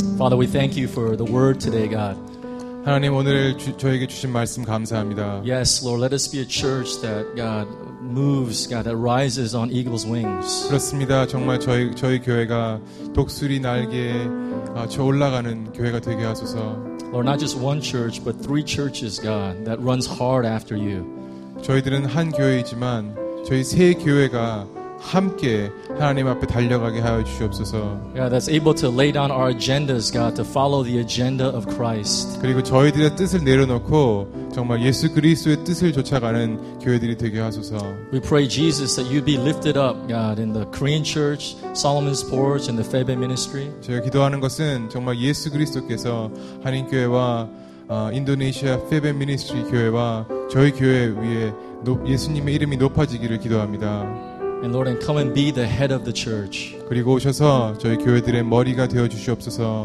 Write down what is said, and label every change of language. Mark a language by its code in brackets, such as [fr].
[en] Father, we thank you for the word today, God. [ko] 하나님 오늘 저에게 주신 말씀 감사합니다. [en] Yes, Lord, let us be a church that God moves, God that rises on eagle's wings. [ko] 그렇습니다. 정말 저희 교회가 독수리 날개에 저 올라가는 교회가 되게 하소서. [en] Lord, not just one church, but three churches, God, that runs hard after you. [ko] 저희들은 한 교회이지만 저희 세 교회가 함께 하나님 앞에 달려가게 하여 주시옵소서. [en] Yeah, that's able to lay down our agendas, God, to follow the agenda of Christ. [ko] 그리고 저희들의 뜻을 내려놓고 정말 예수 그리스도의 뜻을 쫓아가는 교회들이 되게 하소서. [en] We pray, Jesus, that you be lifted up, God, in the Korean Church, Solomon's Porch, and the Febe Ministry. [ko] 제가 기도하는 것은 정말 예수 그리스도께서 한인교회와 인도네시아 페베 미니스트리 교회와 저희 교회 위에 예수님의 이름이 높아지기를 기도합니다. [en] And Lord, and come and be the head of the church. [ko] 그리고 오셔서 저희 교회들의 머리가 되어 주시옵소서.